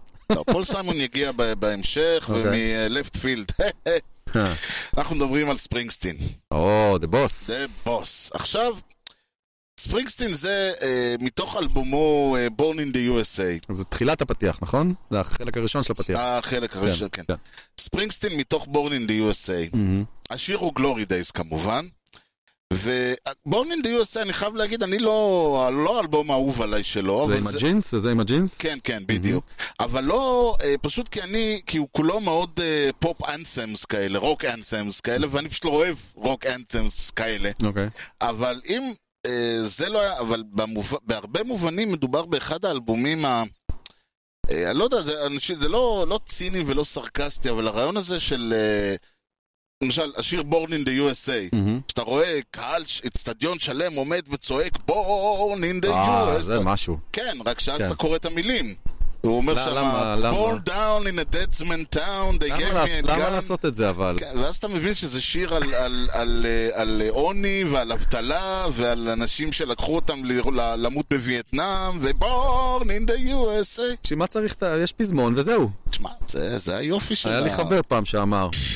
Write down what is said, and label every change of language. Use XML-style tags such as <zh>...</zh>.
<he>לא, פול סיימון יגיע בהמשך, אוקיי. ומלפט פילד. אנחנו מדברים על ספרינגסטין.</he> <en>The boss. The boss.</en> <he>עכשיו, ספרינגסטין זה מתוך אלבומו Born in the USA. זה תחילת הפתיח, נכון? זה החלק הראשון של הפתיח. החלק הראשון, כן. ספרינגסטין מתוך Born in the USA. השיר הוא Glory Days, כמובן. ו-Born in the USA, אני חייב להגיד, אני לא אלבום האהוב עליי שלו. זה עם הג'ינס? זה עם הג'ינס? כן, כן, בדיוק. אבל לא, פשוט כי אני, כי הוא כולו מאוד פופ אנתמס כאלה, רוק אנתמס כאלה, ואני פשוט לא אוהב רוק אנתמס כאלה. אוקיי. אבל אם זה לא היה, אבל בהרבה מובנים מדובר באחד האלבומים ה... אני לא יודע, זה לא ציני ולא סרקסטי, אבל הרעיון הזה של... למשל, השיר Born in the USA, שאתה רואה קהל, אצטדיון שלם עומד וצועק Born in the USA. זה משהו. כן, רק שאז אתה קורא את המילים. הוא אומר שמה,</he> <en>Born down in a deadsman town, they gave me a gun.</en> <he>למה לעשות את זה אבל? ואז אתה מבין שזה שיר על עוני ועל אבטלה ועל אנשים שלקחו אותם למות בווייטנאם, ו-Born in the USA. שמה צריך, יש פזמון וזהו. תשמע, זה היופי של... היה לי חבר פעם שאמר.</he>